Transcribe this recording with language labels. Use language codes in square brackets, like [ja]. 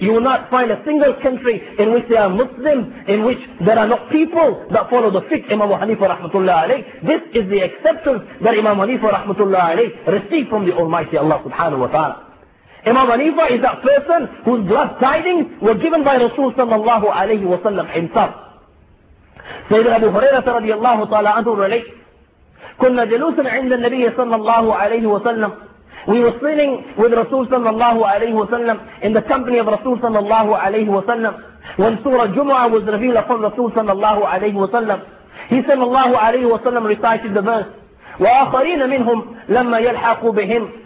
[en] You will not find a single country in which there are Muslims in which there are not people that follow the fiqh Imam Hanifa rahmatullah alayh. This is the acceptance that Imam Hanifa rahmatullah alayh received from the Almighty Allah subhanahu wa ta'ala. Imam Hanifa is that person whose glad tidings were given by Rasul sallallahu alayhi wa sallam himself. [ar] Sayyidina Abu Hurairah radiyallahu ta'ala anhu relayed, كنا جلوسا عند النبي صلى الله عليه وسلم. [en] We were sitting with Rasul sallallahu alayhi wa sallam in the company of Rasul sallallahu alayhi wa sallam. When Surah Jumu'ah was revealed upon Rasul sallallahu alayhi wa sallam, he sallallahu alayhi wa sallam recited the verse, [ar] وآخرين منهم لما يلحقوا بهم.